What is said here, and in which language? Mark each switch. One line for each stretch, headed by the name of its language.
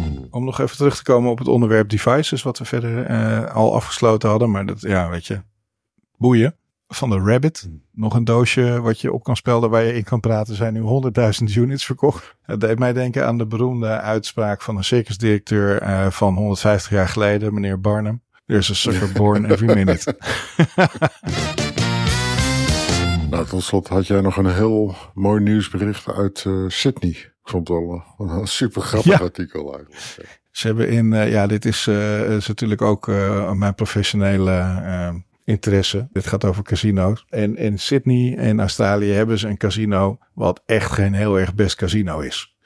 Dutch: Om nog even terug te komen op het onderwerp devices, wat we verder al afgesloten hadden. Maar dat, ja, weet je, boeien. Van de Rabbit. Nog een doosje wat je op kan spelden waar je in kan praten. Zijn nu 100.000 units verkocht. Het deed mij denken aan de beroemde uitspraak van een circusdirecteur van 150 jaar geleden. Meneer Barnum.
English: There's a sucker born every minute.
Dutch: Nou, tot slot had jij nog een heel mooi nieuwsbericht uit Sydney. Ik vond het wel een super grappig artikel eigenlijk. Ze hebben is natuurlijk ook mijn professionele... interesse. Dit gaat over casino's. En in Sydney in Australië hebben ze een casino wat echt geen heel erg best casino is.